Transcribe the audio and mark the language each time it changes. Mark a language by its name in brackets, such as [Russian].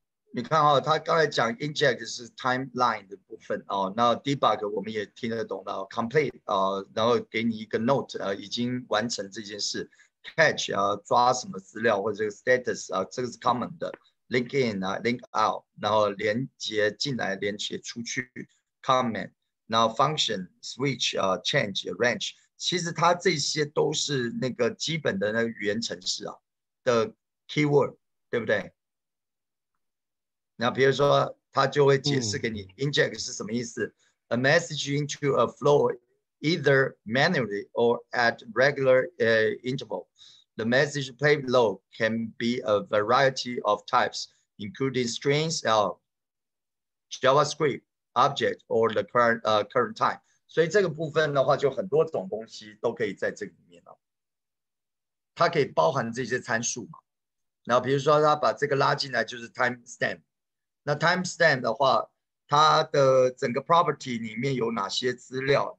[Chinese] 你看哦，他刚才讲 inject 是 timeline 的部分哦，那 debug 我们也听得懂了 ，complete 啊、然后给你一个 note 已经完成这件事 ，catch 啊、抓什么资料或者这个 status 啊、这个是 common 的 ，link in 啊、link out， 然后连接进来、连接出去 ，comment， 然后 function switch 啊、change range， 其实它这些都是那个基本的那个语言程式啊的 keyword， 对不对？那比如说他就会解释给你 inject 是什么意思、 [English] a message into a flow either manually or at regular interval. The message payload can be a variety of types, including strings, JavaScript, object, or the current time. [Chinese] 所以这个部分的话就很多种东西都可以在这里面了。它可以包含这些参数嘛。那比如说他把这个拉进来就是 timestamp。那 timestamp 的话，它的整个 property 里面有哪些资料？